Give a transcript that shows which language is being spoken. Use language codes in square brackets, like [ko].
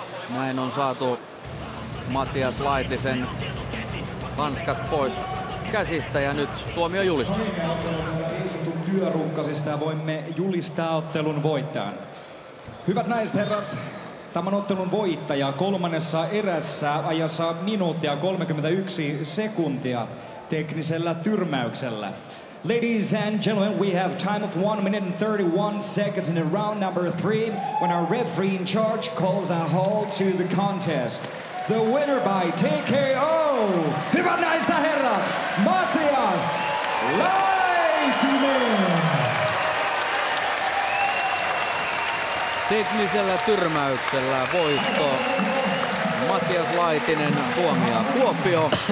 [fi] Näin on saatu Matias Laitisen hanskat pois käsistä ja nyt tuomio julistus. Työrunkkasista ja voimme julistaa ottelun voittajan. Hyvät naiset herrat, tämän ottelun voittaja kolmannessa erässä ajassa 1:31 teknisellä tyrmäyksellä. [en] Ladies and gentlemen, we have time of 1:31 in round number 3 when our referee in charge calls a halt to the contest. The winner by TKO, [fi] hyvät naiset ja herrat, [en] Matias Laitinen! Teknisellä tyrmäyksellä voitto Matias Laitinen, Suomi ja Kuopio.